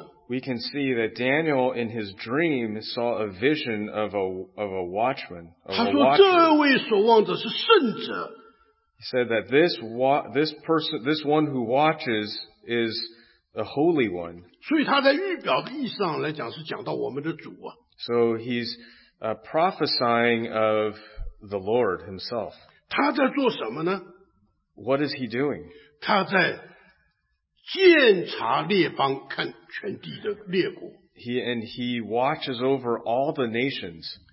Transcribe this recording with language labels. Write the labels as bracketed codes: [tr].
[en] we can see that Daniel in his dream saw a vision of a watchman. Of [zh] 他说, [en] a watchman. [zh] 这位守望者是圣者, [en] he said that this one who watches is a holy one. [zh] 所以他在预表的意义上来讲是讲到我们的主啊。 [en] So he's prophesying of the Lord himself. [zh] 他在做什么呢? [en] What is he doing? [zh] 他在监察列邦看全地的列国。 [en] He watches over all the nations.